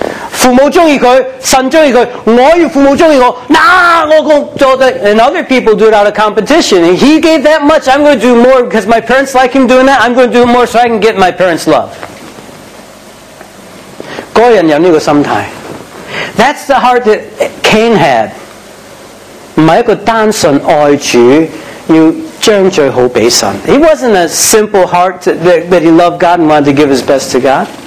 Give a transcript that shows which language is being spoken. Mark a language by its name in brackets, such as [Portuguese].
[Chinese] 父母喜歡他，神喜歡他，我要父母喜歡我，那我做的。 [English] And other people do it out of competition. He gave that much, I'm going to do more because my parents like him doing that. I'm going to do more so I can get my parents' love. [Chinese] 那人有这个心态。 [English] That's the heart that Cain had. [Chinese] 不是一个单纯爱主，要将最好给神。 [English] He wasn't a simple heart that he loved God and wanted to give his best to God.